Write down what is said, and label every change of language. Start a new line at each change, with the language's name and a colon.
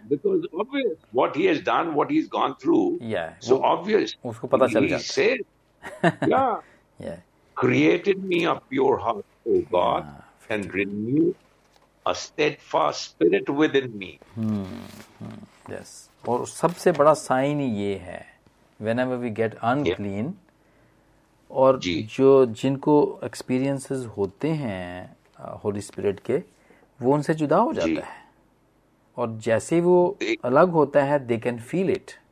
English: because obviously what he has done, what he has gone through, so obviously
Urdu: اس کو پتا چل جاتا ہے.
English: Yeah. Created me a pure heart, O God, and renew a steadfast spirit within me. Yes.
Urdu: اور سب سے بڑا sign یہ ہے,
English: whenever we get unclean,
Urdu: اور جو جن کو ایکسپیرینسز ہوتے ہیں ہولی اسپرٹ کے, وہ ان سے جدا ہو جاتا ہے, اور جیسے وہ الگ ہوتا ہے
English: They can feel it.